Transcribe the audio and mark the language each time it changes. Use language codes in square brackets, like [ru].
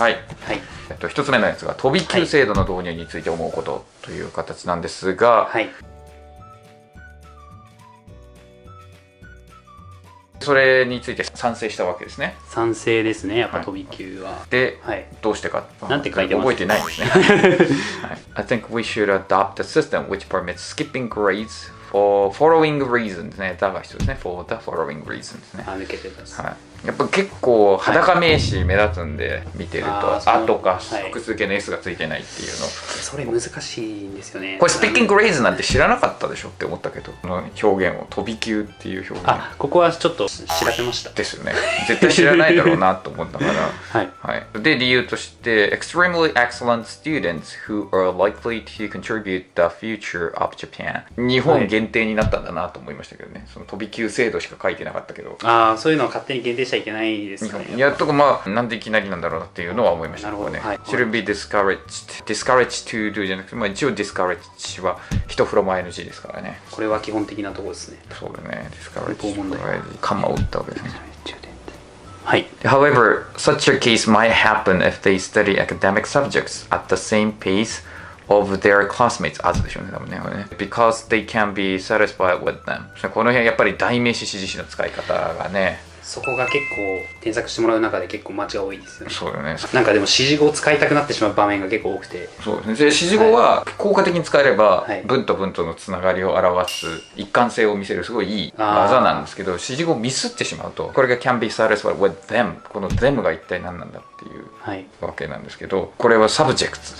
[ja] はい。はい。一つ目のやつが飛び級制度の導入について思うことという形なんですが、はい。それについて賛成したわけですね。賛成ですね、やっぱ飛び級は、はい、で、はい、どうしてか、なんて書いてます、覚えてないですね。 [en] はい、I think we should adopt a system which permits skipping grades for following reasons ね、 [ja] だが必要ですね、 [en] for the following reasons ね。 [ja] あ、抜けてます。はい、やっぱ結構裸名詞目立つんで、見てると、はい、あとか複数形の S がついてないっていうの、はい、それ難しいんですよね。これスピッキングレイズなんて知らなかったでしょって思ったけど、この表現を飛び級っていう表現、あ、ここはちょっと調べましたですよね。絶対知らないだろうなと思ったから、はいはい、で理由として [en] Extremely excellent students who are likely to contribute the future of Japan、 [ja] 日本限定になったんだなと思いましたけどね、はい、その飛び級制度しか書いてなかったけど、あ、そういうのは勝手に限定しちゃいけないですかね。やっとこ、まあ、なんでいきなりなんだろうなっていうのは思いました。なるほど、ね、はい、 [en] Shouldn't be discouraged、 discouraged to do [ja] じゃなくて、まあ、一応 discouraged は一風呂前の字ですからね。これは基本的なところですね。そうだね、 discouraged、これはカンマを打ったわけですね。はい、 [en] However, such a case might happen if they study academic subjects at the same pace of their classmates as [ja] でしょうね、多分ね、 [en] because they can be satisfied with them。 [ja] この辺やっぱり代名詞指示詞の使い方がね、そこが結構添削してもらう中で結構間違い多いですよね。そうよね。なんかでも指示語を使いたくなってしまう場面が結構多くて、そうですね。指示語は効果的に使えれば文と文とのつながりを表す一貫性を見せるすごいいい技なんですけど、指示語をミスってしまうと、これが [en] can be satisfied with them、 [ja] この them が一体何なんだっていうわけなんですけど、これは subject、